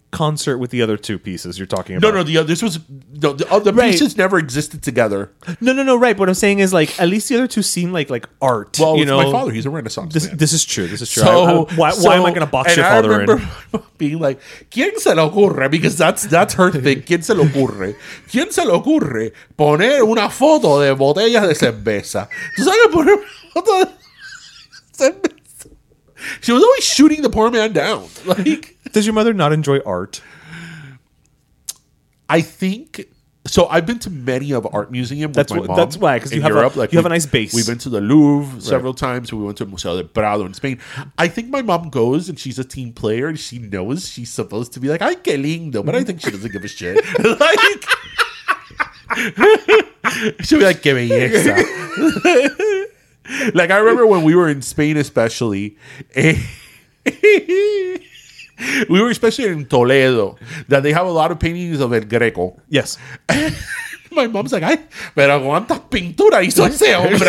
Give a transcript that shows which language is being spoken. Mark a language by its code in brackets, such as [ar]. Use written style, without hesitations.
[en] concert with the other two pieces you're talking about. No, no, the pieces never existed together. No, right. What I'm saying is, like, at least the other two seem like art. Well, you know? My father, he's a Renaissance man. This is true. Why am I going to box your father in? And I remember being like, [es] ¿quién se le ocurre? [en] Because that's her thing. [es] ¿Quién se le ocurre? ¿Quién se le ocurre poner una foto de botella de cerveza? ¿Tú sabes poner una foto de cerveza? [en] She was always shooting the poor man down. Like, does your mother not enjoy art? I think so. I've been to many of art museums with my mom. That's why, because you have a nice base. We've been to the Louvre several times. We went to Museo del Prado in Spain. I think my mom goes and she's a team player and she knows she's supposed to be like, [es] ay, qué lindo, [en] but I think she doesn't give a shit. Like, she'll be like, [es] qué belleza. [en] Like, I remember when we were in Spain, especially. We were especially in Toledo, that they have a lot of paintings of El Greco. Yes. My mom's like, [es] ay, pero cuánta pintura hizo ese hombre.